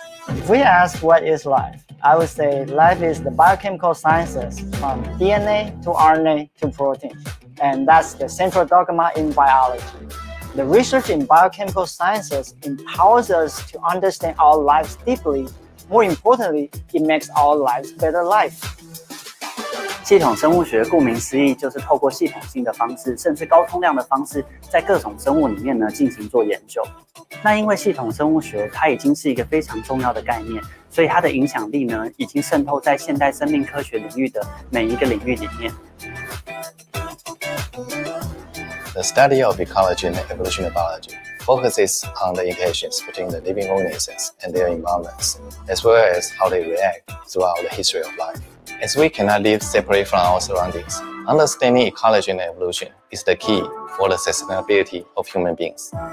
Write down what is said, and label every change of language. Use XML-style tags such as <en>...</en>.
<en>If we ask what is life, I would say life is the biochemical sciences from DNA to RNA to protein. And that's the central dogma in biology. The research in biochemical sciences empowers us to understand our lives deeply. More importantly, it makes our lives better life.</en> <zh>系统生物学顾名思义就是透过系统性的方式甚至高通量的方式在各种生物里面呢进行做研究。那因为系统生物学它已经是一个非常重要的概念，所以它的影响力呢已经渗透在现代生命科学领域的每一个领域里面。</zh> <en>The study of ecology and evolutionary biology focuses on the interactions between the living organisms and their environments, as well as how they react throughout the history of life. As we cannot live separate from our surroundings, understanding ecology and evolution is the key for the sustainability of human beings.</en>